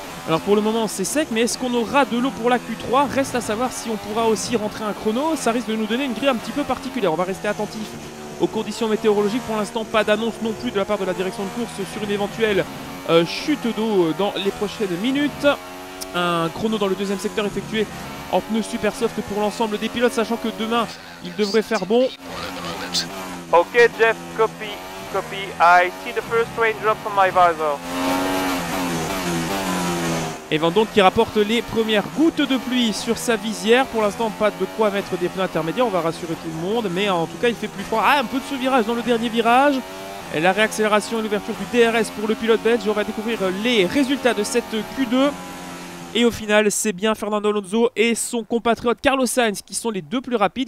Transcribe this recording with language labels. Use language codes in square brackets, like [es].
[fr] Alors pour le moment c'est sec, mais est-ce qu'on aura de l'eau pour la Q3? Reste à savoir si on pourra aussi rentrer un chrono, ça risque de nous donner une grille un petit peu particulière. On va rester attentif aux conditions météorologiques, pour l'instant pas d'annonce non plus de la part de la direction de course sur une éventuelle chute d'eau dans les prochaines minutes. Un chrono dans le deuxième secteur effectué en pneus super soft pour l'ensemble des pilotes, sachant que demain il devrait faire bon. [en] Ok Jeff, copy. I see the first raindrop from my visor. [fr] Et Vandoorne qui rapporte les premières gouttes de pluie sur sa visière. Pour l'instant, pas de quoi mettre des pneus intermédiaires, on va rassurer tout le monde. Mais en tout cas, il fait plus froid. Ah, un peu de sous-virage dans le dernier virage. Et la réaccélération et l'ouverture du DRS pour le pilote belge. On va découvrir les résultats de cette Q2. Et au final, c'est bien Fernando Alonso et son compatriote Carlos Sainz qui sont les deux plus rapides.